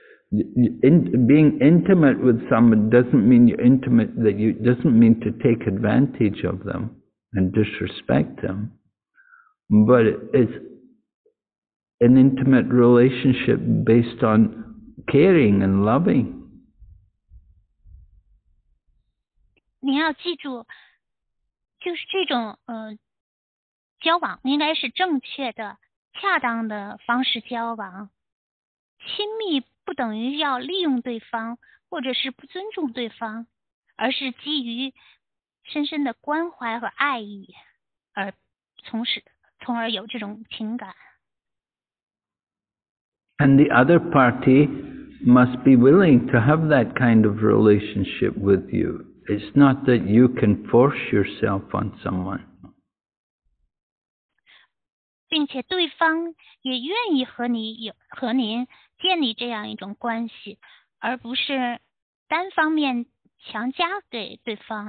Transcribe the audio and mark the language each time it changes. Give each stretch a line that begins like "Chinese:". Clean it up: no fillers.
English: Being intimate with someone doesn't mean you're intimate, that you doesn't mean to take advantage of them and disrespect them, but it's an intimate relationship based on caring and loving.
Chinese: 你要记住，就是这种交往应该是正确的、恰当的方式交往，亲密不等于要利用对方或者是不尊重对方，而是基于深深的关怀和爱意，从而有这种情感。
English: And the other party must be willing to have that kind of relationship with you. It's not that you can force yourself on someone.
Chinese: 并且对方也愿意和您建立这样一种关系，而不是单方面强加给对方。